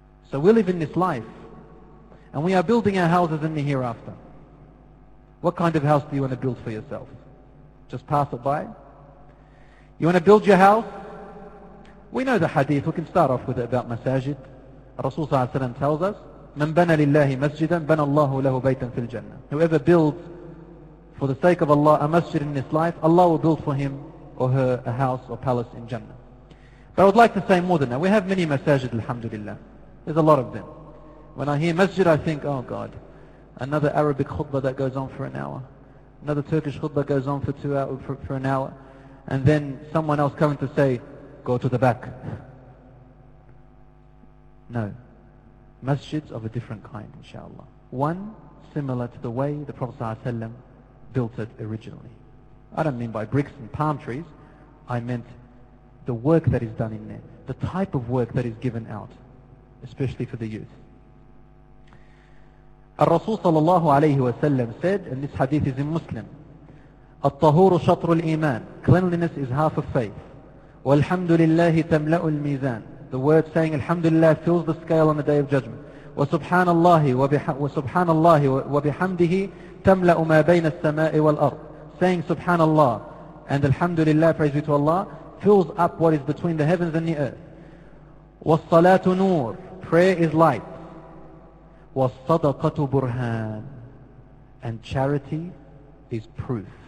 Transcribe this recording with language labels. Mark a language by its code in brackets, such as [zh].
[en] So we live in this life, and we are building our houses in the hereafter. What kind of house do you want to build for yourself? Just pass it by? You want to build your house? We know the hadith, we can start off with it about masajid. [ar] Rasul Sallallahu Alaihi Wasallam [en] tells us, [ar] من بنى لله مسجدا بنى الله له بيتا في الجنة. [en] Whoever builds for the sake of Allah a masjid in this life, Allah will build for him or her a house or palace in Jannah. But I would like to say more than that. We have many masajid, alhamdulillah. There's a lot of them. When I hear masjid, I think, oh God, another Arabic khutbah that goes on for an hour. Another Turkish khutbah goes on for 2 hours, for an hour. And then someone else coming to say, go to the back. No. Masjids of a different kind, inshallah. One similar to the way the Prophet ﷺ built it originally. I don't mean by bricks and palm trees. I meant the work that is done in there. The type of work that is given out, especially for the youth. Al-Rasul sallallahu alayhi wa sallam said, and this hadith is in Muslim, [ar] الطهور شطر الإيمان. [en] Cleanliness is half of faith. [ar] والحمد لله تملأ الميزان. [en] The word saying Alhamdulillah fills the scale on the day of judgment. [ar] وسبحان الله وبحمده تملأ ما بين السماء والأرض. [en] Saying Subhanallah and Alhamdulillah, praise be to Allah, fills up what is between the heavens and the earth. [ar] والصلاة نور. [en] Prayer is light. [ar] والصدقة برهان. [en] And charity is proof.